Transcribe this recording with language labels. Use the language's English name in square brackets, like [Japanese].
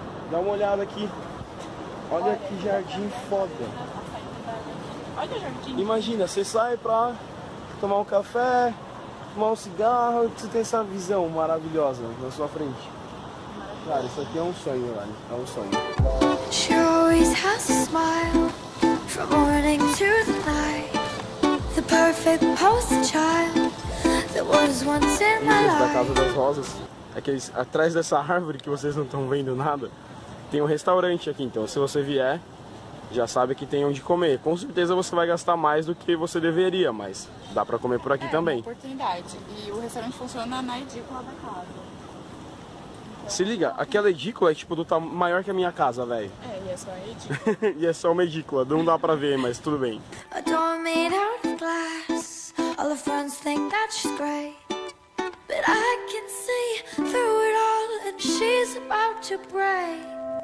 [Portuguese] Dá uma olhada aqui. Olha que jardim foda. Olha o jardim. Imagina, você sai pra tomar um café, tomar um cigarro, você tem essa visão maravilhosa na sua frente. Cara, isso aqui é um sonho, velho. É um sonho. [English] She always has a smile from morning to the night. The perfect poster child that was once in my life. Da Casa das Rosas. [Portuguese] Aqueles, atrás dessa árvore que vocês não estão vendo nada, tem um restaurante aqui, então se você vier. Já sabe que tem onde comer. Com certeza você vai gastar mais do que você deveria, mas dá pra comer por aqui é, também. É uma oportunidade. E o restaurante funciona na edícula da casa. Então, se liga, aquela edícula é tipo do tamanho maior que a minha casa, velho. É, e é só a edícula. E é só uma edícula. Não dá pra ver, mas tudo bem. [English] A door made out of glass. All the friends think that she's great. But I can see through it all and she's about to break.